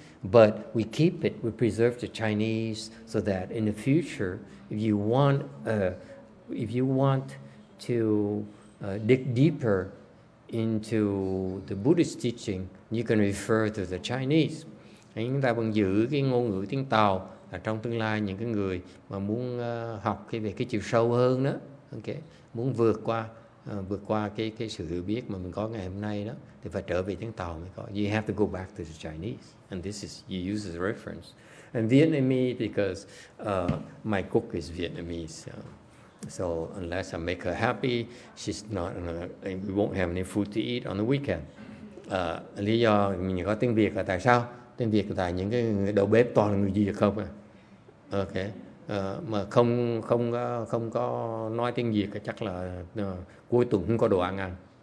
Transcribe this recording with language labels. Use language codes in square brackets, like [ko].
[en] But we keep it, we preserve the Chinese so that in the future, if you want to dig deeper into the Buddhist teaching, you can refer to the Chinese. [vi] Thì chúng ta vẫn giữ cái ngôn ngữ tiếng Tàu là trong tương lai những cái người mà muốn học cái về cái chiều sâu hơn đó, okay, muốn vượt qua cái sự hiểu biết mà mình có ngày hôm nay đó, thì phải trở về tiếng Tàu mới có. [en] You have to go back to the Chinese, and this is you use as a reference. And Vietnamese, because my cook is Vietnamese, so unless I make her happy, she's not, we won't have any food to eat on the weekend. [vi] Lý do mình có tiếng Việt là tại sao? Tiếng Việt là tại những cái đầu bếp toàn là người Việt không à? Okay, mà không có nói tiếng Việt chắc là cuối tuần không có đồ ăn ăn.